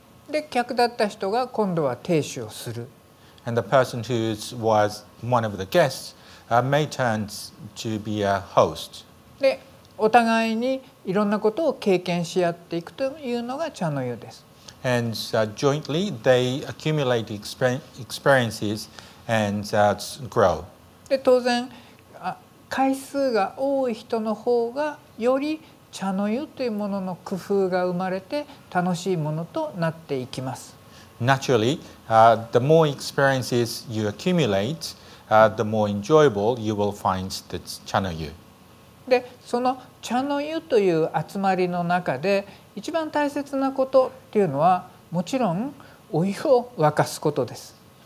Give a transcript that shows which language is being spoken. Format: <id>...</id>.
<ja>で、客だった人が今度は亭主をする。</ja> <en>And the person who was one of the guests, may turn to be a host.</en> <ja>で、お互いにいろんなことを経験し合っていくというのが茶の湯です。</ja> <en>And jointly, they accumulate experiences and grow.</en> <ja>で、当然、回数が多い人の方がより茶の湯というものの工夫が生まれて楽しいものとなっていきます。</ja> <en>Naturally, the more experiences you accumulate, the more enjoyable you will find the 茶の湯。</en> <ja>で、その茶の湯という集まりの中で一番大切なことっていうのはもちろんお湯を沸かすことです。</ja>